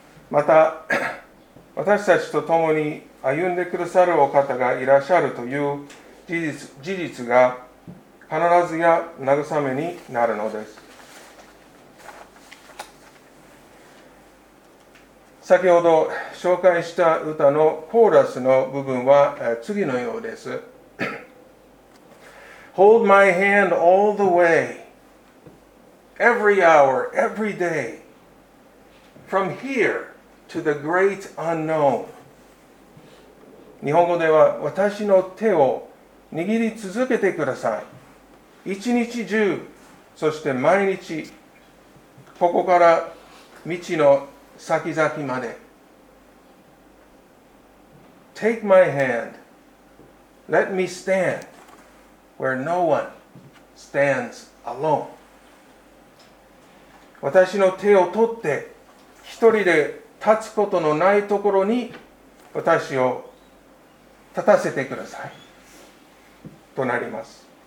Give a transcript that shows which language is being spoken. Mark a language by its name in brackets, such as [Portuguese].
[Japanese] また、私たちと共に歩んでくださるお方がいらっしゃるという事実が必ずや慰めになるのです。先ほど紹介した歌のコーラスの部分は次のようです。 [English] Hold my hand all the way, every hour, every day, from here to the great unknown. [Japanese] 日本語では私の手を握り続けてください。一日中、そして毎日、ここから未知の先々まで。 [English] Take my hand, let me stand where no one stands alone. [Japanese] 私の手を取って、一人で立つことのないところに私を立たせてくださいとなります。